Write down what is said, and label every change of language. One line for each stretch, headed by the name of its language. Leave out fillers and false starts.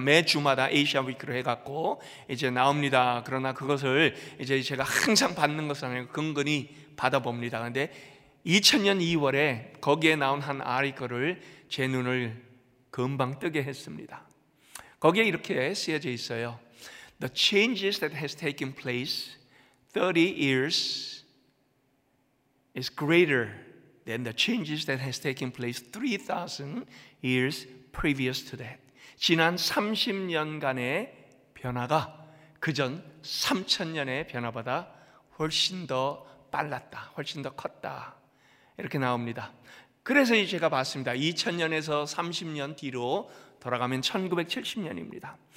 Korean: 매 주마다 아시아 위크를 해갖고 이제 나옵니다. 그러나 그것을 이제 제가 항상 받는 것은 아니고 근근히 받아봅니다. 그런데 2000년 2월에 거기에 나온 한 아리거를 제 눈을 금방 뜨게 했습니다. 거기에 이렇게 쓰여져 있어요.
English: The changes that has taken place 30 years is greater than the changes that has taken place 3,000 years previous to that.
Korean: 지난 30년간의 변화가 그전 3,000년의 변화보다 훨씬 더 빨랐다, 훨씬 더 컸다 이렇게 나옵니다. 그래서 제가 봤습니다. 2000년에서 30년 뒤로 돌아가면 1970년입니다.